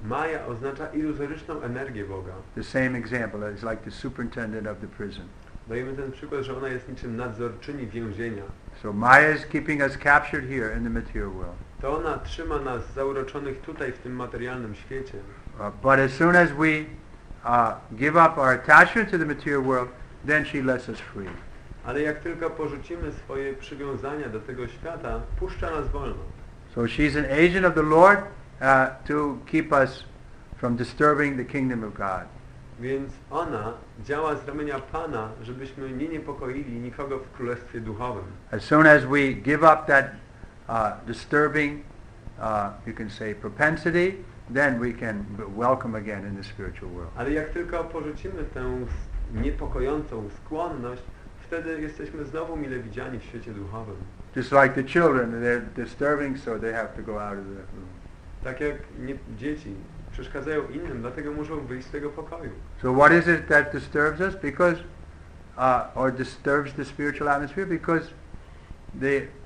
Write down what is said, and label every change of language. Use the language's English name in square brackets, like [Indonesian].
[Polish] Maya oznacza iluzoryczną energię Boga. [English] The same example, it's like the superintendent of the prison. [Polish] Dajemy ten przykład, że ona jest niczym nadzorczyni więzienia. [English] So Maya is keeping us captured here in the material world. [Polish] To ona trzyma nas zauroczonych tutaj w tym materialnym świecie. [English] But as soon as we give up our attachment to the material world, then she lets us free. [Polish] Ale jak tylko porzucimy swoje przywiązania do tego świata, puszcza nas wolno. [English] So she's an agent of the Lord to keep us from disturbing the kingdom of God. [Polish] Więc ona działa z ramienia Pana, żebyśmy nie niepokoili nikogo w Królestwie Duchowym. [English] As soon as we give up that disturbing, you can say, propensity, then we can welcome again in the spiritual world. [Polish] Ale jak tylko porzucimy tę niepokojącą skłonność, wtedy jesteśmy znowu mile widziani w świecie duchowym. [English] Just like the children, they're disturbing, so they have to go out of the room. [Polish] Tak jak dzieci przeszkadzają innym, dlatego muszą wyjść z tego pokoju. [English] So what is it that disturbs us? Because, or disturbs the spiritual atmosphere? Because the